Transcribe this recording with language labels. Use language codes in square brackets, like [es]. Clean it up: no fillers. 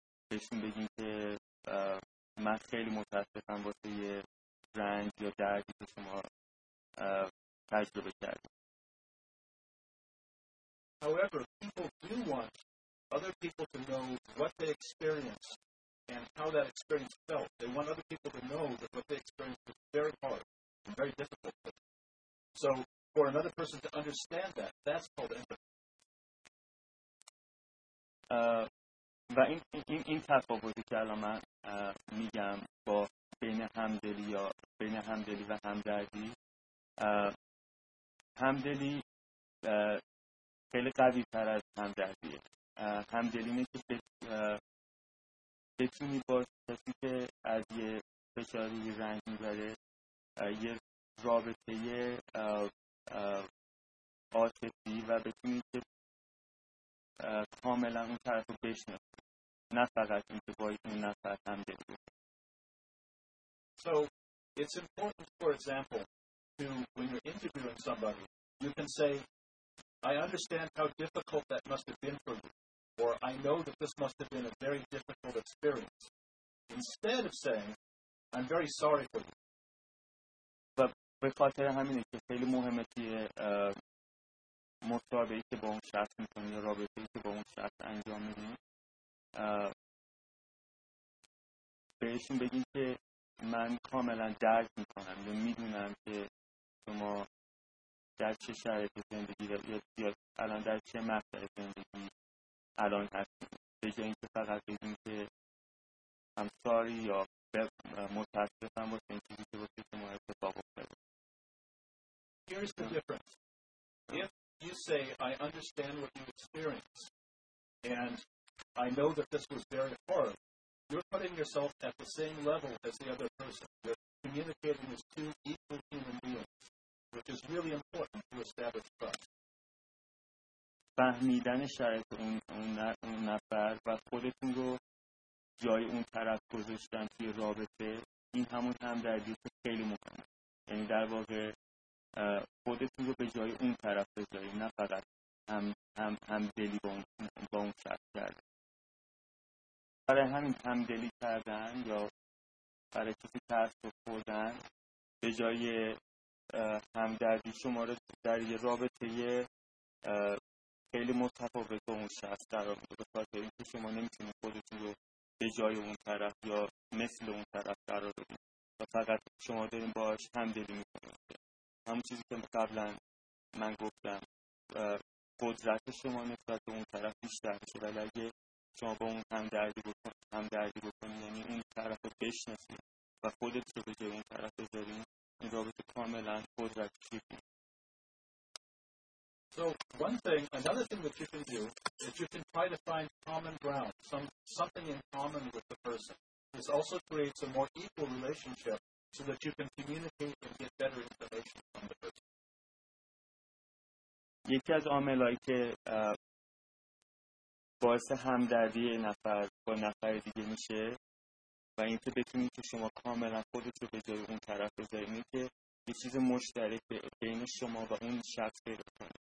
[fa] بهشون بگیم که من خیلی متاسفم واسه یه رنج یا دردی که شما تجربه کردید. [en] However, people do want other people to know what they experienced and how that experience felt. They want other people to know that what they experienced was very hard and very difficult. So for another person to understand that, that's called empathy. [fa] و این تفاوتی که الان من میگم با بین همدلی یا بین همدلی و همدردی، همدلی خیلی قوی تر از همدردیه. همدلی اینه که بتونی با کسی که از یه فشاری رنج میبره یه رابطه یه عاطفی و بتونی که کاملا اون طرف رو بشنست، نه فقط اینکه باید اون نفر هم دلید. [en] So, it's important, for example, to, when you're interviewing somebody, you can say, I understand how difficult that must have been for you, or I know that this must have been a very difficult experience. Instead of saying, I'm very sorry for you. [fa] و به خاطر همینه که خیلی مهمه که مصاحبه‌ای که با اون شخص میکنی یا رابطه‌ای که با اون شخص انجام میدی بهشون بگیم که من کاملا درک میکنم یا میدونم که شما در چه شرایط زندگی یا الان در چه مقطع زندگی الان هستید، به جای اینکه فقط بگیم که [en] I'm sorry [fa] یا متاسفم واسه این چیزی که واسه شما اتفاق افتاده. [en] Here's the difference. If you say I understand what you experience and I know that this was very hard, you're putting yourself at the same level as the other person. You're communicating as two equal human beings, which is really important to establish trust. [fa] فهمیدن شرایط اون نفر و خودتون رو جای اون طرف گذاشتن توی رابطه، این همون همدردی که خیلی مهمه. یعنی در واقع خودتون رو به جای اون طرف بذارید، نه فقط هم دلی با اون شخص کردن. برای همین هم دلی کردن یا برای کسی تأسف خوردن به جای همدردی شما رو در یه رابطه یه خیلی متفاوت با اون شخص قرار میده، به خاطر اینکه شما نمیتونید خودتون رو به جای اون طرف یا مثل اون طرف قرار بدید و فقط شما دارین باهاش هم دلی میکنید. همون چیزی که قبلا من گفتم، قدرت شما نسبت به اون طرف بیشتر میشه، ولی اگه شما با اون هم دردی بکنید یعنی اون طرف رو بشناسید و خودت رو به جای اون طرف بذارید، این رابطه کاملا قدرت میگیره. [en] So one thing, another thing that you can do is you can try to find common ground, something in common with the person. This also creates a more equal relationship so that you can communicate and get better information from the person. [fa] یکی از عاملایی که باعث همدردی نفر با نفر دیگه میشه و این که بتونید که شما کاملا خودت رو به جای اون طرف بذارید، این که یه چیز مشترک بین شما و اون شخص پیدا کنید.